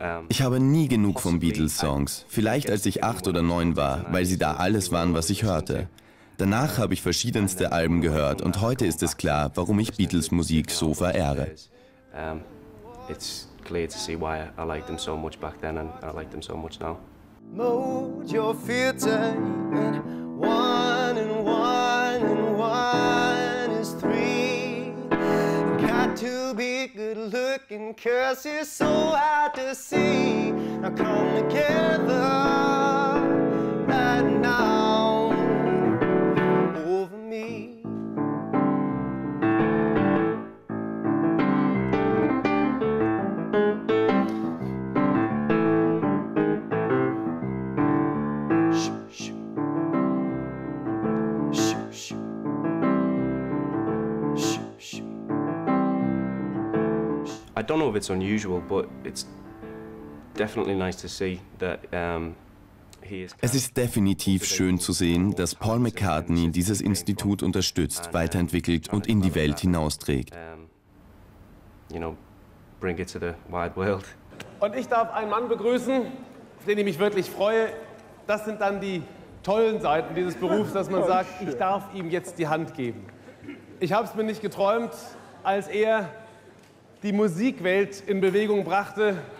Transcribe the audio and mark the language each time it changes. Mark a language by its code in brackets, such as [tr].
[de] Ich habe nie genug von Beatles-Songs, vielleicht als ich 8 oder 9 war, weil sie da alles waren, was ich hörte. Danach habe ich verschiedenste Alben gehört und heute ist es klar, warum ich Beatles-Musik so verehre. [en] It's clear to see why I liked them so much back then and I like them so much now. Mold your filter in one and one and one is three. Got to be good looking, cause it's so hard to see. Now come together right now over me. I don't know if it's unusual, but it's definitely nice to see that he is. [de] Es ist definitiv schön zu sehen, dass Paul McCartney dieses Institut unterstützt, weiterentwickelt und in die Welt hinausträgt. [en] You know, bring it to the wide world. [de] Und ich darf einen Mann begrüßen, auf den ich mich wirklich freue. Das sind dann die tollen Seiten dieses Berufs, dass man sagt, ich darf ihm jetzt die Hand geben. Ich habe es mir nicht geträumt, als er die Musikwelt in Bewegung brachte.